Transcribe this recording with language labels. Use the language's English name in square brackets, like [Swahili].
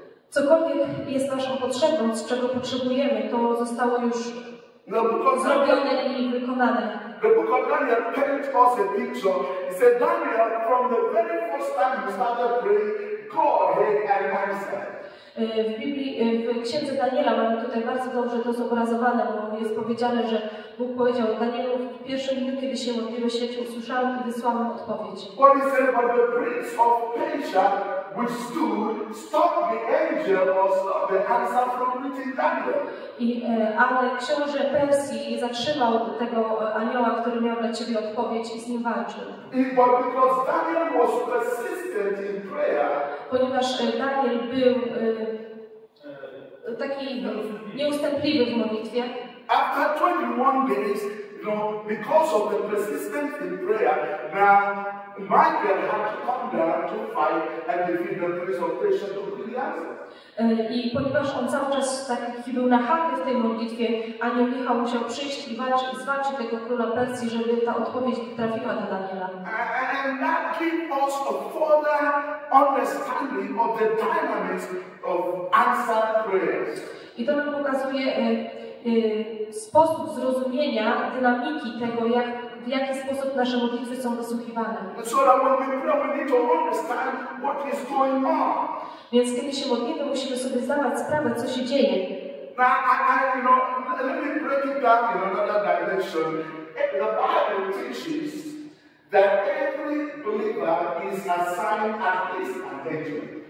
[Polish] Cokolwiek jest naszą potrzebą, z czego potrzebujemy, to zostało już zrobione i wykonane. [English] The book of Daniel paints us a picture. He said, Daniel, from the very first time you started praying, God heard and answered. [Polish] W księdze Daniela mamy tutaj bardzo dobrze to zobrazowane, bo jest powiedziane, że Bóg powiedział Danielu, w pierwszej minucie, kiedy się modliłeś, ja cię usłyszałem i wysłałem odpowiedź. [English] What is said about the prince of Persia, which stood, stopped the angel of the answer from meeting Daniel. [Polish] Ale książę Persji zatrzymał tego anioła, który miał dla ciebie odpowiedź i z nim walczył. [English] But because Daniel was persistent in prayer, [Polish] ponieważ Daniel był taki nieustępliwy w modlitwie. [English] After 21 days, because of the persistence in prayer, now Michael had to come down to fight and defeat the prince of Persia to be the answer. [Polish] I ponieważ on cały czas taki był nachalny w tej modlitwie, anioł Michał musiał przyjść i zwalczyć tego króla Persji, żeby ta odpowiedź trafiła do Daniela. [English] And that gives us a further understanding of the dynamics of answered prayers. [Polish] I to nam pokazuje sposób zrozumienia dynamiki tego, jak w jaki sposób nasze modlitwy są wysłuchiwane. [English] So that when we pray, we need to understand what is going on. [Polish] Więc kiedy się modlimy, musimy sobie zdawać sprawę, co się dzieje. [English] Let me break it down in another dimension. The Bible teaches that every believer is assigned at least an angel.